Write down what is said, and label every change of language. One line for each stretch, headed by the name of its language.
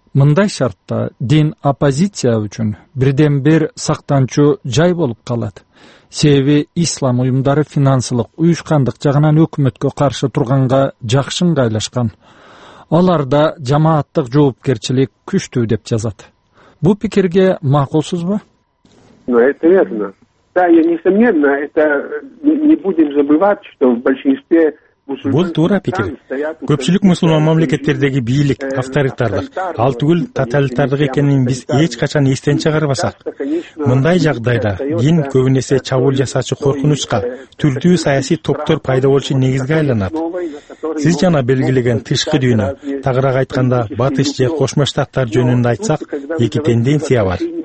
Kyrgyz: Мындай шартта дин оппозиция үчүн бирден бир сактанчу жай болуп калат. Себеби ислам уюмдары финансылык уюшкандык жагынан өкмөткө каршы турганга жакшы ыңгайлашкан. Аларда жамааттык жоопкерчилик күчтүү деп жазат. Бул пикирге макулсузбу?
Russian: Ну, это верно. Да, я несомненно, это не будем забывать, что в большинстве
Kyrgyz: бул туура пикир. Көпчүлүк мусулман мамлекеттердеги бийлик авторитардык, ал түгүл тоталитардык экенин биз эч качан эстен чыгарбасак, мындай жагдайда дин көбүн эсе чабуул жасачу коркунучка түрдүү саясий топтор пайда болчу негизге айланат. Сиз жана белгилеген тышкы дүйнө, тагыраак айтканда батыш же кошмо штаттар жөнүндө айтсак, эки тенденция бар.